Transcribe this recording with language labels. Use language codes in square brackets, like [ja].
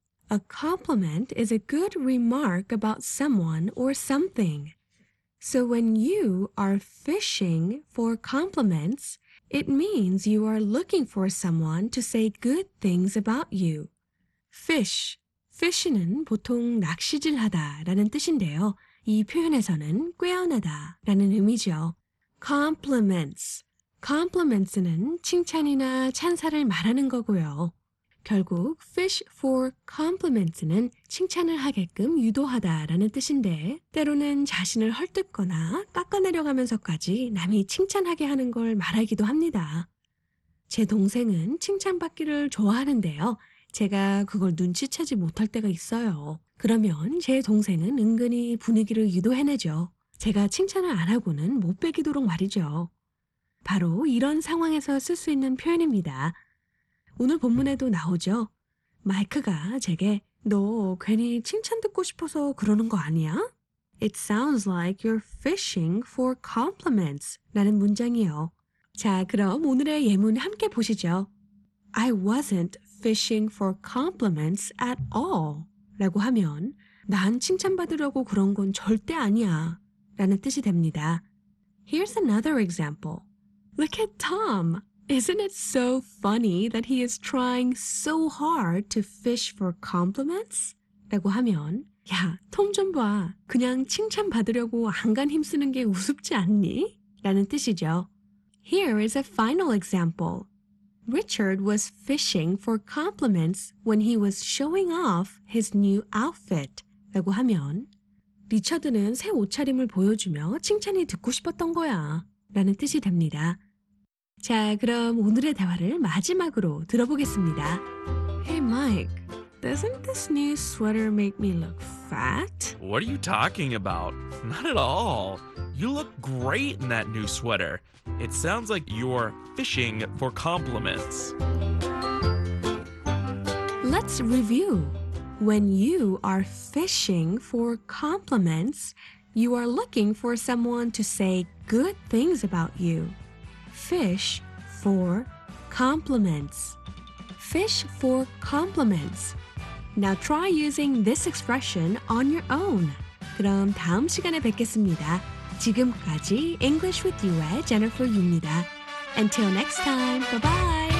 [en] A compliment is a good remark about someone or something. So when you are fishing for compliments, It means you are looking for someone to say good things about you. Fish. [ko] Fish는 보통 낚시질하다 라는 뜻인데요. 이 표현에서는 꾀어내다 라는 의미죠. [en] Compliments. [ko] Compliments는 칭찬이나 찬사를 말하는 거고요. 결국 fish for compliments는 칭찬을 하게끔 유도하다 라는 뜻인데 때로는 자신을 헐뜯거나 깎아내려가면서까지 남이 칭찬하게 하는 걸 말하기도 합니다. 제 동생은 칭찬받기를 좋아하는데요. 제가 그걸 눈치채지 못할 때가 있어요. 그러면 제 동생은 은근히 분위기를 유도해내죠. 제가 칭찬을 안 하고는 못 빼기도록 말이죠. 바로 이런 상황에서 쓸 수 있는 표현입니다. 오늘 본문에도 나오죠. 마이크가 제게 너 괜히 칭찬 듣고 싶어서 그러는 거 아니야? [en] It sounds like you're fishing for compliments [ko] 라는 문장이요. 자, 그럼 오늘의 예문 함께 보시죠. [en] I wasn't fishing for compliments at all [ko] 라고 하면 난 칭찬받으려고 그런 건 절대 아니야 라는 뜻이 됩니다. [en] Here's another example. Look at Tom. Isn't it so funny that he is trying so hard to fish for compliments? [ko] 라고 하면, 야, 톰 좀 봐. 그냥 칭찬받으려고 안간 힘쓰는 게 우습지 않니? 라는 뜻이죠. [en] Here is a final example. Richard was fishing for compliments when he was showing off his new outfit. [ko] 라고 하면, 리처드는 새 옷차림을 보여주며 칭찬이 듣고 싶었던 거야. 라는 뜻이 됩니다. 자, 그럼 오늘의 대화를 마지막으로 들어보겠습니다. [en] Hey, Mike, doesn't this new sweater make me look fat? What are you talking about? Not at all. You look great in that new sweater. It sounds like you're fishing for compliments. Let's review. When you are fishing for compliments, you are looking for someone to say good things about you. Fish for compliments. Fish for compliments. Now try using this expression on your own. [ko] 그럼 다음 시간에 뵙겠습니다. 지금까지 English with you의 Jennifer Yu입니다. [en] Until next time, bye-bye!